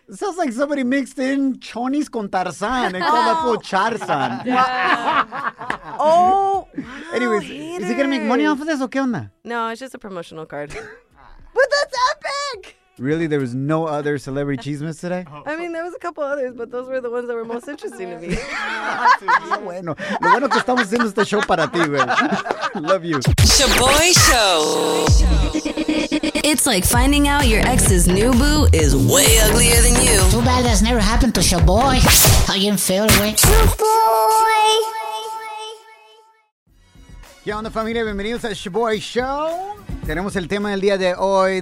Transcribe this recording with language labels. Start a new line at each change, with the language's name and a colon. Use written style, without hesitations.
English: It sounds like somebody mixed in Chonis con Tarzan and called that fool Charizard. Yeah. Oh. Anyways, haters. Is he gonna make money off of this or
Spanish: qué onda?
English: No, it's just a promotional card. But that's epic! Really, there was no other celebrity cheesemes today? I mean, there was a couple others, but those were the ones that were most interesting to me.
Spanish: Bueno, lo bueno que estamos haciendo este show para ti, güey.
English: Love you. Sha'Boy Show. It's like finding out your ex's new boo is way uglier than you. Too bad that's never happened to Sha'Boy. How you feel, güey? Sha'Boy!
Spanish: ¿Qué onda, familia? Bienvenidos a Sha'Boy Show. Tenemos el tema del día de hoy.